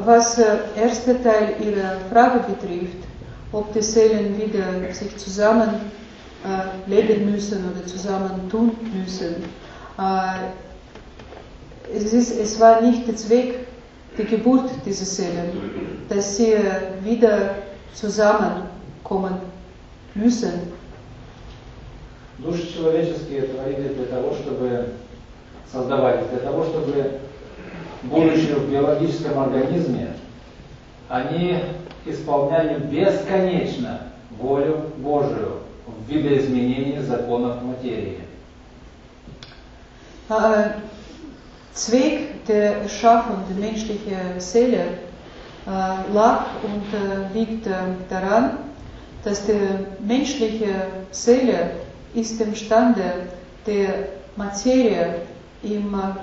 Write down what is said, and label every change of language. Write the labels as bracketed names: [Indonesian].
[German] Was erste Teil Ihrer Frage betrifft, ob die Seelen wieder sich zusammen leben müssen oder zusammen tun müssen, es war nicht der Zweck, die Geburt dieser Seelen, dass sie wieder zusammenkommen müssen. [Russian] Души человеческие творили для того, чтобы создавать, для того, чтобы будучи в биологическом организме, они исполняли бесконечно волю Божию в видоизменении законов материи. [German] Zweck der Schaffung der menschlichen Seele lag und liegt daran, dass die menschliche Seele ist imstande, die Materie im